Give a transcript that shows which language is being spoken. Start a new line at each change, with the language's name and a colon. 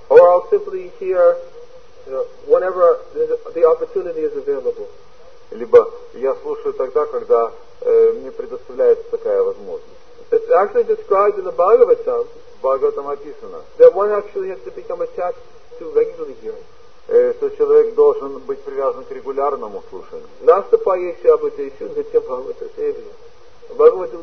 English: Or I'll simply hear, you know, whenever the opportunity is available.
Russian: Либо я слушаю тогда, когда мне предоставляется такая возможность.
English: It's actually described in the Bhagavatam.
Russian: В Бхагаватам описано.
English: That one actually has to become attached to regularly hearing.
Russian: Что человек должен быть привязан к регулярному слушанию. Наступающий обучающий, затем Бхагавата Севия.